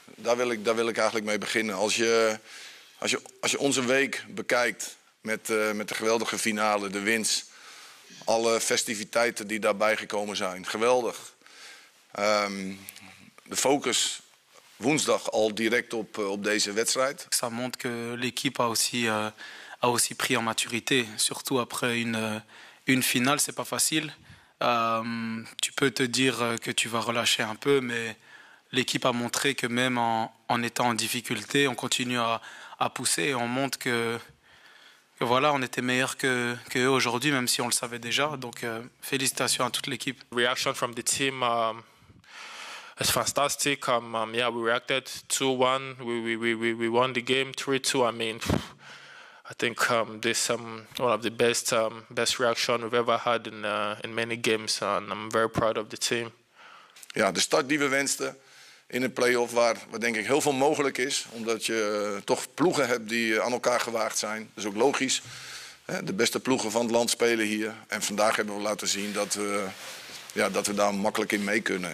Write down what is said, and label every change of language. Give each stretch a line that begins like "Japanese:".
Dutch: Daar wil ik eigenlijk mee beginnen. Als je onze week bekijkt met de geweldige finale, de winst, alle festiviteiten die daarbij gekomen zijn, geweldig. De focus woensdag al direct op deze wedstrijd.
French: Ça montre que l'équipe a aussi pris en maturité, surtout après une finale, c'est pas facile. Tu peux te dire que tu vas relâcher un peu, mais l'équipe a montré que même en étant en difficulté, on continue à pousser et on montre que voilà, on était meilleur que eux aujourd'hui, même si on le savait déjà. Donc félicitations à toute l'équipe.
English: Reaction from the team It's fantastic. Yeah, we reacted 2-1. We won the game 3-2. I mean, I think this is one of the best reaction we've ever had in many games. And I'm very proud of the team.
Dutch: Ja, de start die we wensten in een play-off waar denk ik heel veel mogelijk is. Omdat je toch ploegen hebt die aan elkaar gewaagd zijn. Dat is ook logisch. De beste ploegen van het land spelen hier. En vandaag hebben we laten zien dat we daar makkelijk in mee kunnen.